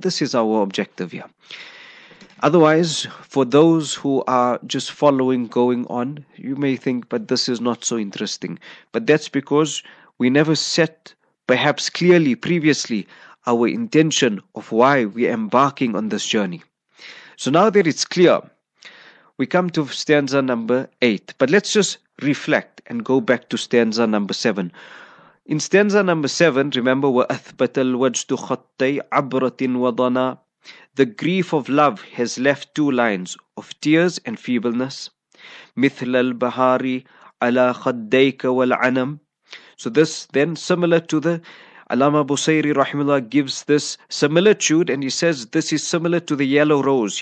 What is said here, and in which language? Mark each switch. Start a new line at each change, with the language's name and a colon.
English: This is our objective here. Otherwise, for those who are just following, going on, you may think, but this is not so interesting. But that's because we never set, perhaps clearly, previously, our intention of why we are embarking on this journey. So now that it's clear, we come to stanza number 8. But let's just reflect and go back to stanza number 7. In stanza number 7, remember,
Arabic: وَأَثْبَتَ الْوَجْدُ خَطَّي عَبْرَةٍ وَضَنَى.
English: The grief of love has left two lines of tears and feebleness.
Arabic: مِثْلَ الْبَهَارِ عَلَى خَدَّيْكَ وَالْعَنَمْ.
English: So this then, similar to the Allama Busayri rahimullah gives this similitude, and he says this is similar to the yellow rose.